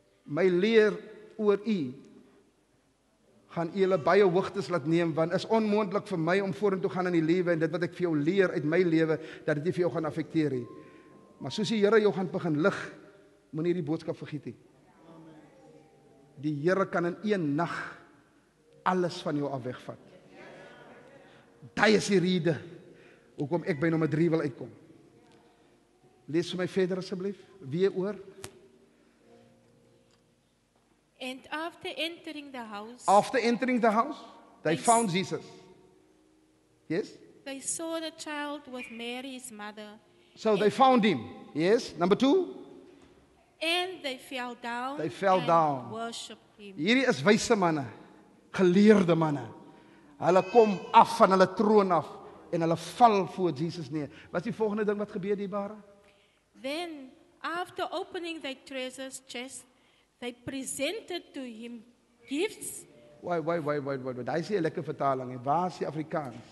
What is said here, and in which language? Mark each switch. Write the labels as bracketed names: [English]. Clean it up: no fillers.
[Afrikaans] My leer oor u, gaan u hulle baie hoogtes laat neem, want is onmoontlik vir my om voorin toe gaan in die lewe, en dit wat ek vir jou leer uit my lewe, dat dit vir jou gaan affekteer. Maar soos die Here jou gaan begin lig, moenie die boodskap vergiet nie. Die Here kan in een nag alles van jou afwegvat. Daai is die rede, hoekom ek by nommer 3 wil uitkom. Lees vir my verder asseblief, weer oor. [English] And after entering the house, they found Jesus. Yes? They saw the child with Mary's mother. So they found him. Yes? Number 2? And they fell down. They fell and down. Worshipped him. [Afrikaans] Hierdie is wijse manne, geleerde manne. Hulle kom af van hulle troon af en hulle val voor Jesus neer. Wat is die volgende ding wat gebeur die bare? [English] Then after opening their treasures chest, they presented to him gifts. Why? [Afrikaans] Daar is hier een lekker vertaling.